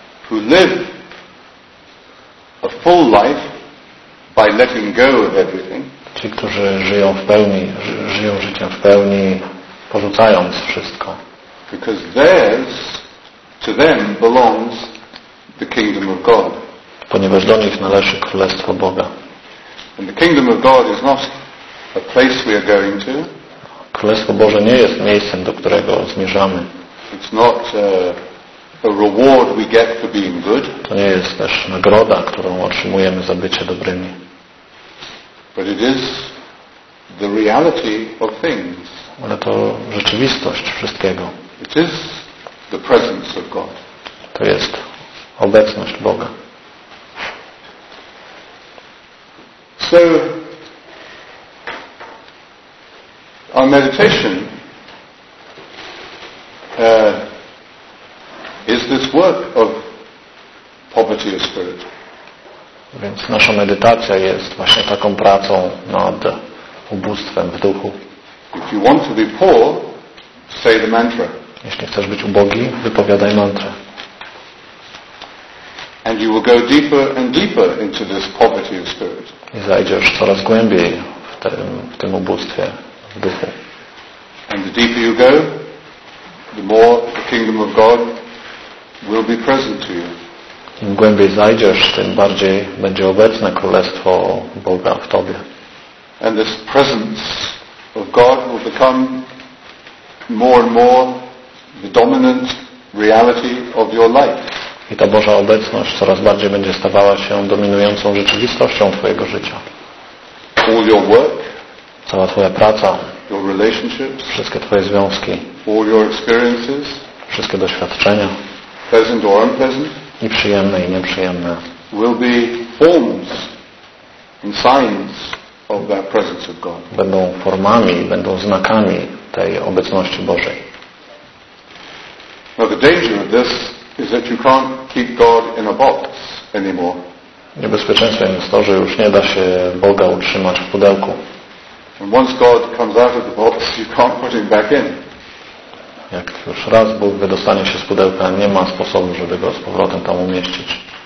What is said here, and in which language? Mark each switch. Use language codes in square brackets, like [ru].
[en] Who live a full life by letting go of everything. [pl] Ci, którzy żyją w pełni, żyją życiem w pełni, porzucając wszystko. [en] Because theirs, to them belongs the kingdom of God. [pl] Ponieważ do nich należy Królestwo Boga. [en] And the kingdom of God is not a place we are going to. [pl] Królestwo Boże nie jest miejscem, do którego zmierzamy. [en] It's not a reward we get for being good. [pl] To nie jest też nagroda, którą otrzymujemy za bycie dobrymi. [en] But it is the reality of things. [pl] Ale to rzeczywistość wszystkiego. [en] It is the presence of God. [pl] To jest obecność Boga. [en] So our meditation is this work of poverty of spirit. [pl] Więc nasza medytacja jest właśnie taką pracą nad ubóstwem w duchu. [en] If you want to be poor, say the mantra. [pl] Jeśli chcesz być ubogi, wypowiadaj mantrę. [en] And you will go deeper and deeper into this poverty of spirit. [pl] I zajdziesz coraz głębiej w tym ubóstwie w duchu. [en] And the deeper you go, the more the kingdom of God will be present to you. [pl] Im głębiej zajdziesz, tym bardziej będzie obecne Królestwo Boga w tobie. [en] And this presence of God will become more and more the dominant reality of your life. [pl] I ta Boża obecność coraz bardziej będzie stawała się dominującą rzeczywistością twojego życia. [en] All your work, [pl] cała twoja praca, [en] your relationships, [pl] wszystkie twoje związki, [en] all your experiences, [pl] wszystkie doświadczenia, [en] pleasant or unpleasant, [pl] i przyjemne i nieprzyjemne, [en] will be forms and signs of that presence of God. [pl] Będą formami, będą znakami tej obecności Bożej. [en] Now the danger of this is that you can't keep God in a box anymore. [pl] Niebezpieczeństwem jest to, że już nie da się Boga utrzymać w pudełku. [en] And once God comes out of the box, you can't put him back in. [pl] Jak już raz Bóg wydostanie się z pudełka, nie ma sposobu, żeby go z powrotem tam umieścić.